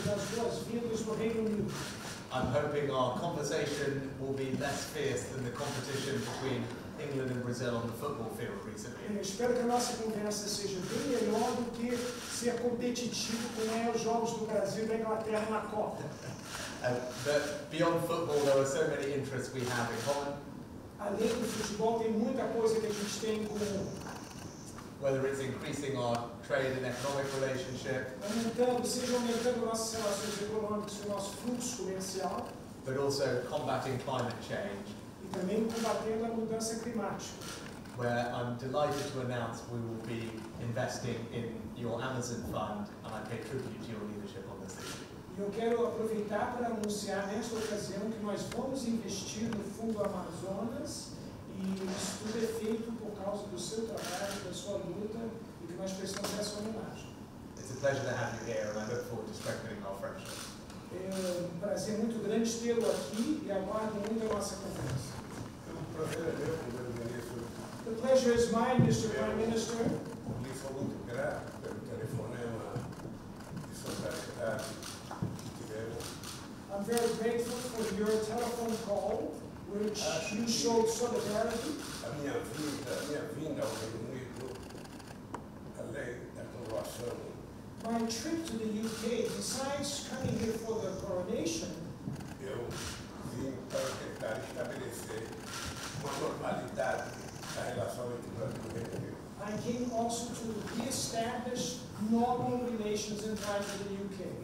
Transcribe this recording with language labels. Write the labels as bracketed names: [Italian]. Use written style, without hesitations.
[English] I'm hoping our conversation will be less fierce than the competition between England and Brazil on the football field recently. [Portuguese] Eu espero que a nossa conversa seja bem melhor do que ser competitivo com os jogos do Brasil e da Inglaterra na Copa. [English] But beyond football, there are so many interests we have in common. [Portuguese] Além do futebol, tem muita coisa que a gente tem em comum. [English] Whether it's increasing our trade and economic relationship. [Portuguese] Aumentando, seja aumentando nossas relações econômicas e nosso fluxo comercial. [English] But also combating climate change. [Portuguese] E também combatendo a mudança climática. [English] Where I'm delighted to announce we will be investing in your Amazon fund, and I pay tribute to your leadership on this issue. [Portuguese] Eu quero aproveitar para anunciar nesta ocasião que nós vamos investir no Fundo Amazonas e isso tudo é feito por causa do seu trabalho, da sua luta e que nós prestamos essa homenagem. [English] It's a pleasure to have you here and I look forward to strengthening our friendship. [Portuguese] É um prazer muito grande tê-lo aqui e aguardo muito a nossa conversa. É um prazer é meu, primeiro ministro. [English] The pleasure is mine, Mr. Prime Minister. [Portuguese] Me foi muito grato pelo telefonema de sua secretária. [English] I'm very grateful for your telephone call, which you showed solidarity. [Portuguese] A minha vinda, ao Reino Unido, além da coroação. [English] My trip to the UK, besides coming here for the coronation, [Portuguese] eu vim para tentar estabelecer uma normalidade na relação entre nós e o Reino Unido. [English] I came also to re-establish normal relations in time with the UK.